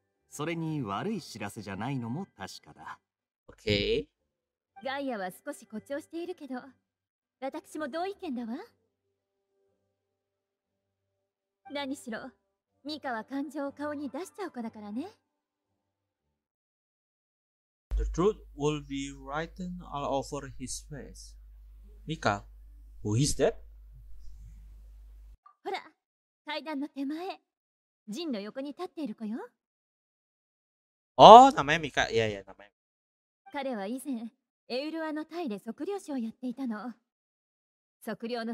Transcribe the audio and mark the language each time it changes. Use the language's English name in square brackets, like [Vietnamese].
[Japanese] それに悪い知らせじゃないのも確かだ。 [English] OK。 [Japanese] ガイアは少し誇張しているけど、私も同意見だわ。何しろ、ミカは感情を顔に出しちゃう子だからね。 [English] The truth will be written all over his face. [Japanese] ミカ、 [English] who is that? [Japanese] ほら、階段の手前、ジンの横に立っている子よ。あ、名前ミカ、いやいや、名前。彼は以前、エウルアのタイで測量士をやっていたの。測量の